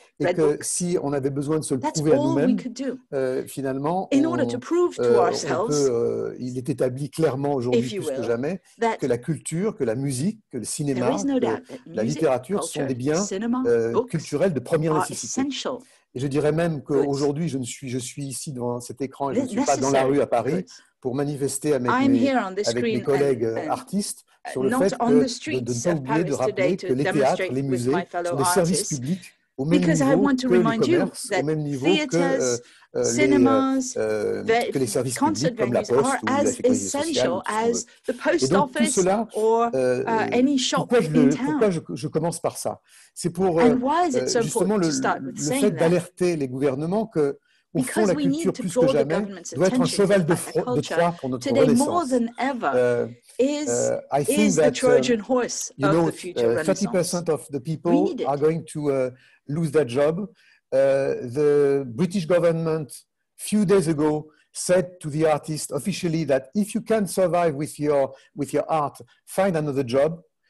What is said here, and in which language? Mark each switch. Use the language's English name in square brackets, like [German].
[French] Et que si on avait besoin de se le prouver à nous-mêmes, finalement, il est établi clairement aujourd'hui plus que jamais que la culture, que la musique, que le cinéma, que la littérature sont des biens culturels de première nécessité. Et je dirais même qu'aujourd'hui, je suis ici devant cet écran et je ne suis pas dans la rue à Paris pour manifester avec mes collègues artistes sur le fait de ne pas oublier de rappeler que les théâtres, les musées sont des services publics. [English] Because I want to remind you that theaters, cinemas, concert venues are as essential as the post office or any shop in town. [French] Pourquoi je commence par ça? C'est pour justement le fait d'alerter les gouvernements que. Au fond, la culture, plus que jamais, doit être un cheval de Troie pour notre renaissance. [English] I think that the Trojan horse of the future renaissance. 30% of the people are going to lose their job. The British government, few days ago, said to the artist officially that if you can survive with your art, find another job.